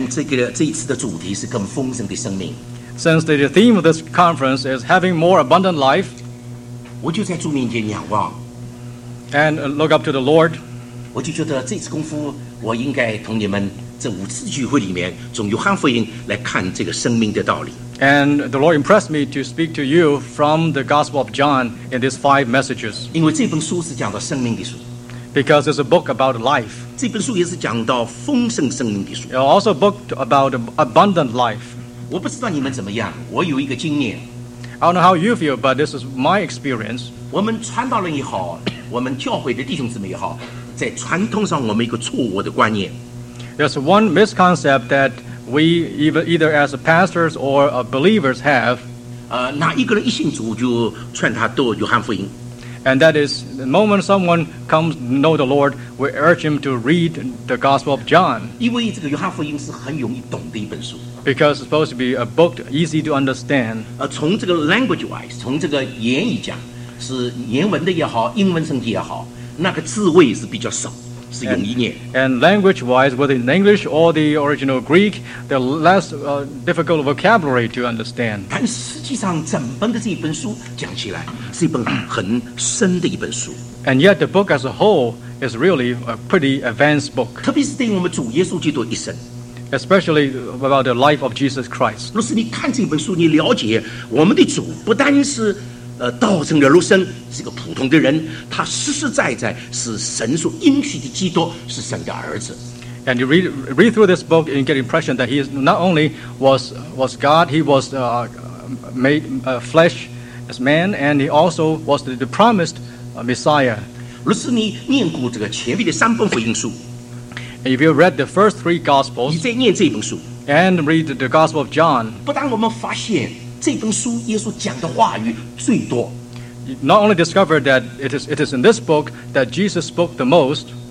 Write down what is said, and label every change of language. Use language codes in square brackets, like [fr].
[zh] 既然这一次的主题是更丰盛的生命, [en] since the theme of this conference is having more abundant life, [zh] 我就在主面前仰望, [en] and look up to the Lord, [zh] 我就觉得这次功夫, 我应该同你们这五次聚会里面从约翰福音来看这个生命的道理, [en] and the Lord impressed me to speak to you from the Gospel of John in these five messages. [zh] 因为这本书是讲到生命的书, [en] because it's a book about life. It also a book about abundant life. [zh] 我不知道你们怎么样, 我有一个经验, [en] I don't know how you feel, but this is my experience. [zh] 我们传道人也好, 我们教会的弟兄姊妹也好, 在传统上我们一个错误的观念, [en] there's one misconcept that we either as pastors or believers have. [zh] 哪一个人一信主就劝他读约翰福音, [en] and that is, the moment someone comes to know the Lord, we urge him to read the Gospel of John. Because it's supposed to be a book easy to understand. [zh] 从这个 [en] language-wise, [zh] 从这个言语讲, 是言文的也好,英文圣经也好, 那个字位是比较少, 是容易念。 [en] And language-wise, whether in English or the original Greek, the less difficult vocabulary to understand. [zh] 但实际上整本的这一本书讲起来是一本很深的一本书。 [en] And yet the book as a whole is really a pretty advanced book. [zh] 特别是对我们主耶稣基督一生, [en] especially about the life of Jesus Christ. [zh] 若是你看这本书, 你了解我们的主不单是 道成了肉身是个普通的人, 他实实在在是神所应许的基督, 是神的儿子。 [en] And you read through this book and get the impression that he is not only was God, he was made flesh as man, and he also was the promised Messiah. [zh] 若是你念过这个前面的三本福音书, [en] and if you read the first three Gospels, [zh] 你再念这本书, [en] and read the Gospel of John, [zh] 不当我们发现, 这本书耶稣讲的话语最多, [en] not only discovered that it is in this book that Jesus spoke the most,